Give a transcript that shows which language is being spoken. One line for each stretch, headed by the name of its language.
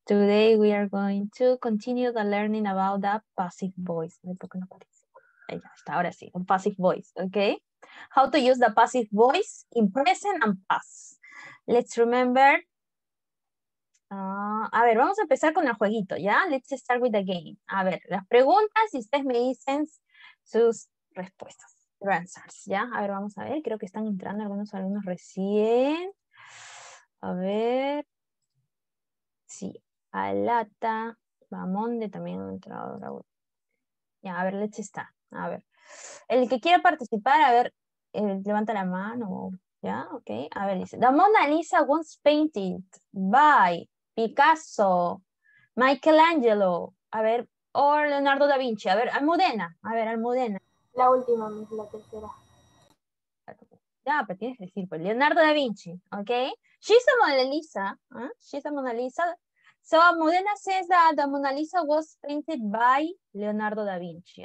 English: Today we are going to continue the learning about the passive voice.
Spanish: Hasta ahora sí,
English: the passive voice, okay? How to use the passive voice in present and past. Let's remember.
Spanish: A ver, vamos a empezar con el jueguito, ¿ya?
English: Let's start with the game.
Spanish: A ver, las preguntas y ustedes me dicen sus respuestas.
English: Your answers,
Spanish: ¿ya? A ver, vamos a ver. Creo que están entrando algunos alumnos recién. A ver, sí, Alata, Bamonde también ha entrado. Ya, a ver, Leche está. A ver, el que quiera participar, a ver, levanta la mano. Ya, ok. A ver, dice,
English: The Mona Lisa once painted by Picasso, Michelangelo,
Spanish: a ver, o
English: Leonardo da Vinci.
Spanish: A ver, Almudena, a ver, Almudena. La última, la tercera. Ya, pero tienes que decir, pues, Leonardo da Vinci, ¿ok?
English: She's a Mona Lisa, she's a Mona Lisa. So, Modena says that the Mona Lisa was painted by Leonardo da Vinci.